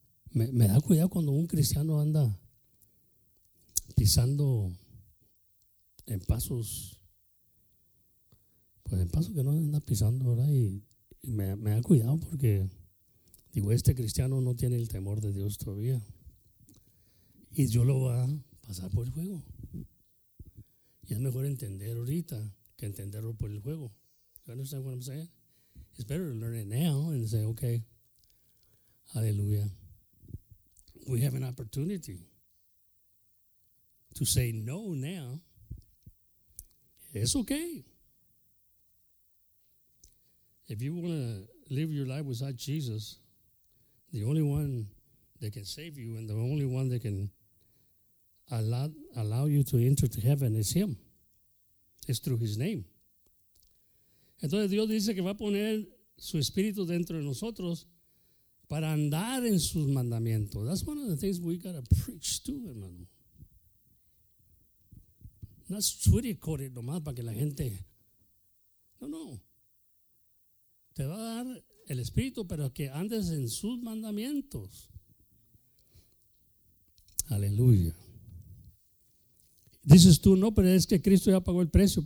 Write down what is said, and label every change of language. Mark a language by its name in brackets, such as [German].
[Spanish] Me da cuidado cuando un cristiano anda pisando en pasos, pues en pasos que no anda pisando, ¿verdad? Y me da cuidado porque digo, este cristiano no tiene el temor de Dios todavía. Y yo lo voy a pasar por el fuego. Y es mejor entender ahorita que entenderlo por el juego. [English] You understand what I'm saying? It's better to learn it now and say, okay, hallelujah. We have an opportunity to say no now. It's okay. If you want to live your life without Jesus, the only one that can save you and the only one that can allow you to enter to heaven is Him. It's through his name. [Spanish] Entonces Dios dice que va a poner su espíritu dentro de nosotros para andar en sus mandamientos. [English] That's one of the things we got to preach too, hermano. [Spanish] No es sugerir nomás para que la gente... No, no. Te va a dar el espíritu, pero que andes en sus mandamientos. Aleluya. Dices tú, no, pero es que Cristo ya pagó el precio.